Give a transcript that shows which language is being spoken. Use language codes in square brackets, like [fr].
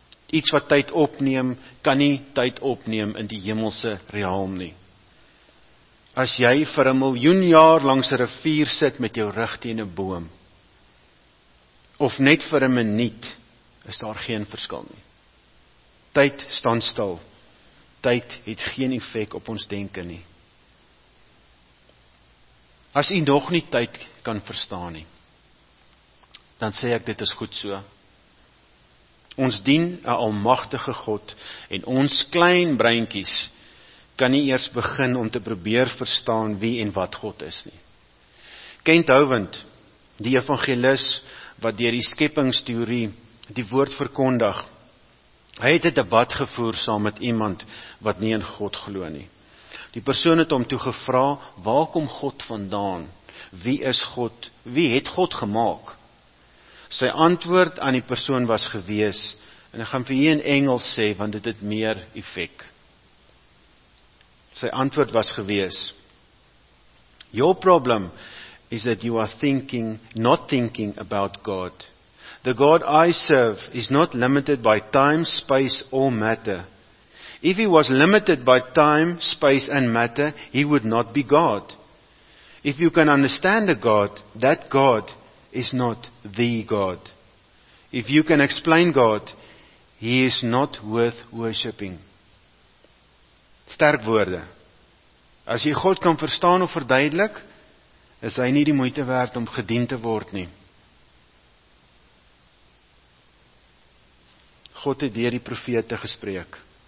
[af] Iets wat tyd opneem, kan nie tyd opneem in die hemelse realm nie. As jy vir 'n miljoen jaar langs 'n rivier sit met jou rug teen 'n boom, of net vir 'n minuut, is daar geen verskil nie. Tyd staan stil. Tyd het geen effek op ons denke nie. As u nog nie tyd kan verstaan nie, dan sê ek dit is goed so. Ons dien 'n almagtige God en ons klein breintjies kan nie eers begin om te probeer verstaan wie en wat God is nie. Kent Hovind, die evangelis wat deur die skeppingsteorie die woord verkondig, hy het 'n debat gevoer saam met iemand wat nie in God glo nie. Die persoon het hom toe gevra, waar kom God vandaan? Wie is God? Wie het God gemaak? Sy antwoord aan die persoon was gewees, en ek gaan vir hier in Engels sê, want dit het meer effek. Sy antwoord was gewees, [en] your problem is that you are not thinking about God. The God I serve is not limited by time, space or matter. If he was limited by time, space and matter, he would not be God. If you can understand a God, that God is not the God. If you can explain God, he is not worth worshipping. [af] Sterk woorde. As jy God kan verstaan of verduidelik, is hy nie die moeite werd om gedien te word nie. God het deur die profete gespreek.